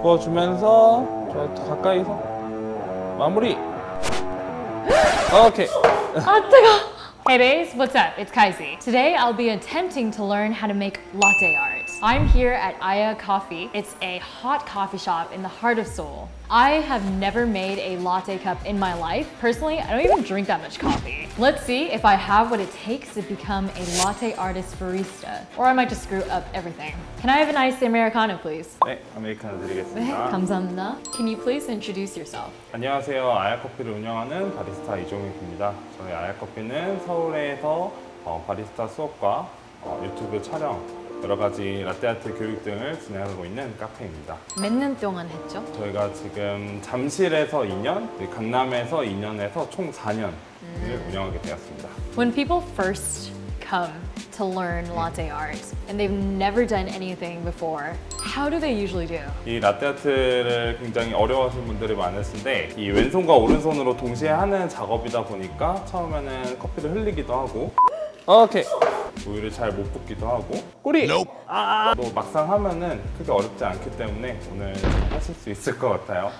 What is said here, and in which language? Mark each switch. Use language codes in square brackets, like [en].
[ko] 부어주면서 저 가까이서 마무리. 오케이. 아 뜨거. [en] Hey babes, what's up? It's Kaizi. Today I'll be attempting to learn how to make latte art. I'm here at Aya Coffee. It's a hot coffee shop in the heart of Seoul. I have never made a latte cup in my life. Personally, I don't even drink that much coffee. Let's see if I have what it takes to become a latte artist barista. Or I might just screw up everything. Can I have an iced Americano, please? [ko] 네, 아메리카노 드리겠습니다. 감사합니다. [en] Can you please introduce yourself? [ko] 안녕하세요. 아야커피를 운영하는 바리스타 이종익입니다. 저희 아야커피는 서울에서 바리스타 수업과 유튜브 촬영, 여러 가지 라떼아트 교육 등을 진행하고 있는 카페입니다. 몇 년 동안 했죠? 저희가 지금 잠실에서 2년, 강남에서 2년에서 총 4년을 운영하게 되었습니다. [en] When people first come to learn latte art and they've never done anything before, how do they usually do? [ko] 이 라떼아트를 굉장히 어려워하시는 분들이 많으신데 이 왼손과 오른손으로 동시에 하는 작업이다 보니까 처음에는 커피를 흘리기도 하고 오케이! 우유를 잘 못 붓기도 하고 꿀이! 또 막상 하면은 크게 어렵지 않기 때문에 오늘 하실 수 있을 것 같아요.